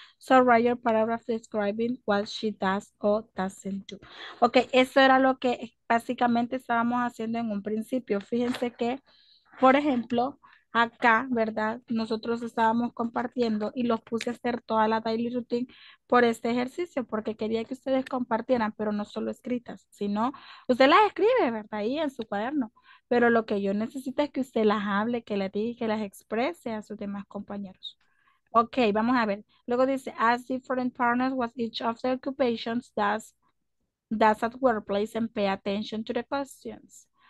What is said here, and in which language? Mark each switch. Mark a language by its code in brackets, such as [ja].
[en] So write your paragraph describing what she does or doesn't do. [es] Ok, eso era lo que básicamente estábamos haciendo en un principio. Fíjense que, por ejemplo, acá, ¿verdad? Nosotros estábamos compartiendo y los puse a hacer toda la daily routine por este ejercicio porque quería que ustedes compartieran, pero no solo escritas, sino usted las escribe, ¿verdad? Ahí en su cuaderno. Pero lo que yo necesito es que usted las hable, que las diga y que las exprese a sus demás compañeros. Ok, vamos a ver. Luego dice, [en] ask different partners what each of the occupations does at workplace and pay attention to the questions.